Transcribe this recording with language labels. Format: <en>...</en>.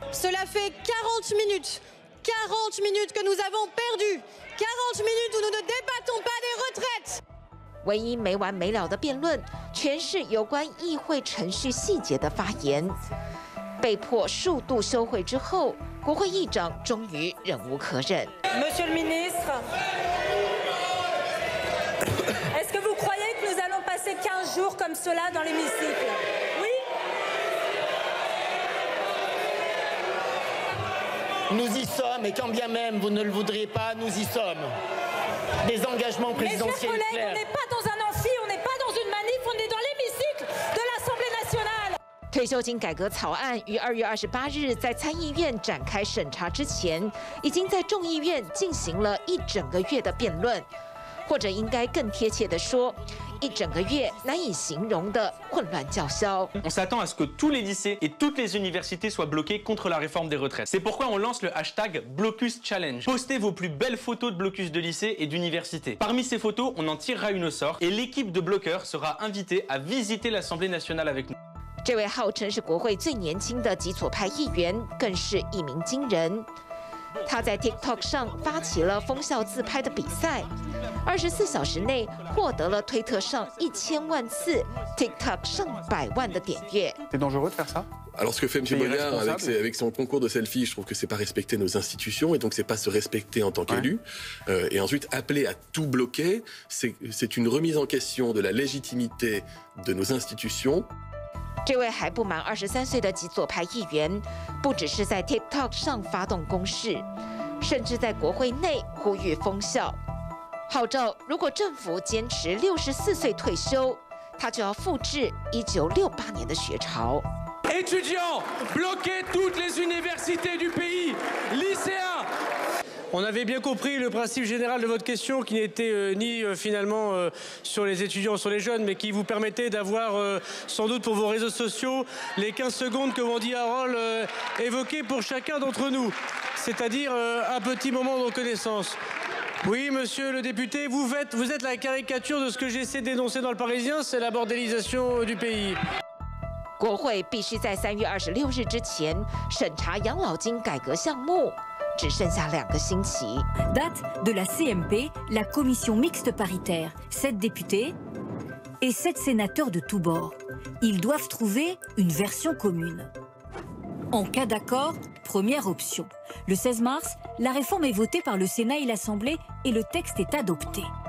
<fr>Cela fait 40 minutes. 40 minutes que nous avons perdu. 40 minutes où nous ne débattons pas des retraites.</fr> <zh>唯一没完没了的辩论，全是有关议会程序细节的发言。被迫数度休会之后，国会议长终于忍无可忍。</zh> <fr>Monsieur le ministre, est-ce que vous croyez que nous allons passer 15 jours comme cela dans l'hémicycle? Nous y sommes, et quand bien même vous ne le voudriez pas, nous y sommes. Des engagements présidentiels clairs. Mes chers collègues, on n'est pas dans un amphi, on n'est pas dans une manif, on est dans l'hémicycle de l'Assemblée nationale.</fr> <zh>退休金改革草案于二月二十八日在参议院展开审查之前，已经在众议院进行了一整个月的辩论，或者应该更贴切的说，一整个月难以形容的混乱叫嚣。</zh> <fr>On s'attend à ce que tous les lycées et toutes les universités soient bloquées contre la réforme des retraites. C'est pourquoi on lance le hashtag Blocus Challenge. Postez vos plus belles photos de blocus de lycée et d'université. Parmi ces photos, on en tirera une au sort et l'équipe de bloqueurs sera invitée à visiter l'Assemblée nationale avec nous.</fr> <zh>这位号称是国会最年轻的极左派议员，更是一鸣惊人。他在 TikTok 上发起了疯笑自拍的比赛，二十四小时内获得了推特上一千万次、TikTok 上百万的点阅。</zh> <fr>C'est dangereux de faire ça? Alors ce que fait M. Boyard avec son concours de selfie, je trouve que c'est pas respecter nos institutions et donc c'est pas se respecter en tant qu'élu. Et ensuite appeler à tout bloquer, c'est une remise en question de la légitimité de nos institutions.</fr> <zh>这位还不满23岁的极左派议员，不只是在 TikTok 上发动攻势，甚至在国会内呼吁封校，号召如果政府坚持64岁退休，他就要复制1968年的学潮。</zh> <fr>Étudiants, bloquez toutes les universités du pays, lycéens. On avait bien compris le principe général de votre question, qui n'était ni finalement sur les étudiants, sur les jeunes, mais qui vous permettait d'avoir sans doute pour vos réseaux sociaux les 15 secondes que Wandy Harold évoquait pour chacun d'entre nous, c'est-à-dire un petit moment de reconnaissance. Oui, monsieur le député, vous êtes la caricature de ce que j'essaie d'énoncer dans le Parisien, c'est la bordélisation du pays.</fr> <zh>国会必须在三月二十六日之前审查养老金改革项目，只剩下两个星期。</zh> <fr>Date de la CMP, la commission mixte paritaire, 7 députés et 7 sénateurs de tous bords. Ils doivent trouver une version commune. En cas d'accord, première option. Le 16 mars, la réforme est votée par le Sénat et l'Assemblée et le texte est adopté.</fr>